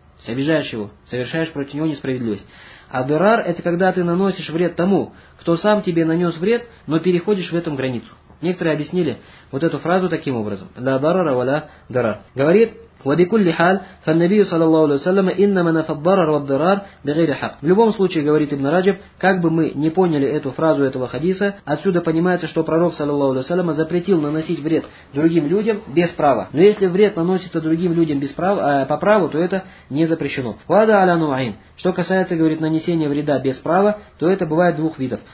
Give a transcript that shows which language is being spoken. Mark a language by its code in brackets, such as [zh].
[ru] Обижаешь его, совершаешь против него несправедливость. А дарар это когда ты наносишь вред тому, кто сам тебе нанес вред, но переходишь в этом границу. Некоторые объяснили вот эту фразу таким образом. [ar] Ля дарара ва ля дарар. [ru] Говорит, [ar] وبكل حال فالنبي صلى الله عليه وسلم إنما نفى الضرر والضرار بغير حق. [ru] В любом случае, говорит Ибн Раджиб, как бы мы не поняли эту фразу этого хадиса, отсюда понимается, что пророк [ar] صلى الله عليه وسلم [ru] запретил наносить вред другим людям без права. Но если вред наносится другим людям без права, по праву, то это не запрещено. [ar] Вада аля нуаин. [ru] Что касается, говорит, нанесения вреда без права, то это бывает двух видов.